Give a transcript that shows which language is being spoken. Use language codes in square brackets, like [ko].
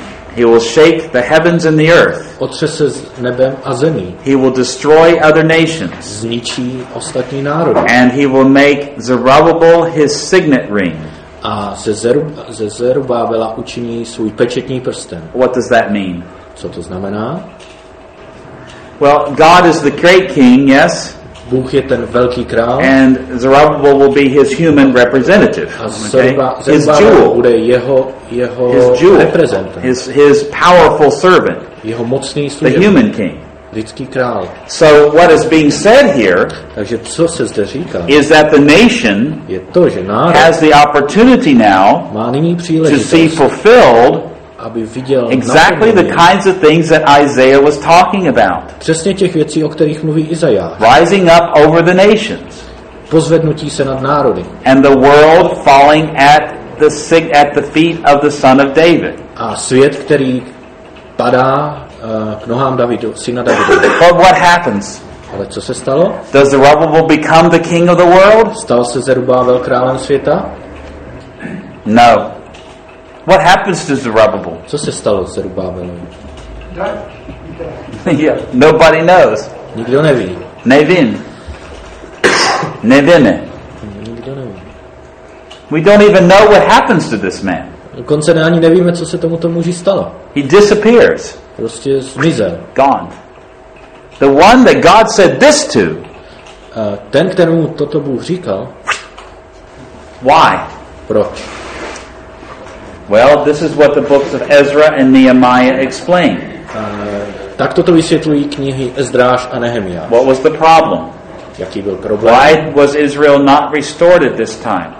[en] He will shake the heavens and the earth. [cs] Otřese nebem a zemí. [en] He will destroy other nations. [cs] Zničí ostatní národy. [en] And he will make Zerubbabel his signet ring. [cs] A ze Zerubábela učiní svůj pečetní prsten. [en] What does that mean? [cs] Co to znamená? [en] Well, God is the great king, yes. [cs] Bůh je ten velký král. [en] And Zerubbabel will be his human representative. [cs] Zerubbabel bude jeho reprezentant. [en] His powerful servant. [cs] Jeho mocný služebník. [en] The human king. [cs] Lidský král. [en] So what is being said here, [cs] takže co se zde říká, [en] is that the nation [cs] je to, že národ [en] has the opportunity now to see fulfilled [cs] aby viděl [en] exactly [cs] naplněný. [en] The kinds of things that Isaiah was talking about. [cs] Přesně těch věcí, o kterých mluví Izajáš. [en] Rising up over the nations. [cs] Pozvednutí se nad národy. [en] And the world falling at the feet of the son of David. [cs] A svět, který padá k nohám syna Davida. [en] But what happens? [cs] Ale co se stalo? [en] Does Zerubbabel become the king of the world? [cs] Stal se Zerubbabel králem světa? [en] No. What happens to Zerubbabel? [cs] Co se stalo Zerubbabelu? [en] Yeah, nobody knows. [cs] Nikdo neví. Nevím. Nevíme. Nikdo neví. [en] We don't even know what happens to this man. [cs] Dokonce ani nevíme, co se tomuto muži stalo. [en] He disappears. [cs] Prostě zmizel. [en] Gone. The one that God said this to. [cs] Ten, kterému toto Bůh říkal. [en] Why? [cs] Proč? [en] Well, this is what the books of Ezra and Nehemiah explain. [cs] Tak toto vysvětlují knihy Ezdráš a Nehemiah. [en] What was the problem? [cs] Jaký byl problém? [en] Why was Israel not restored at this time?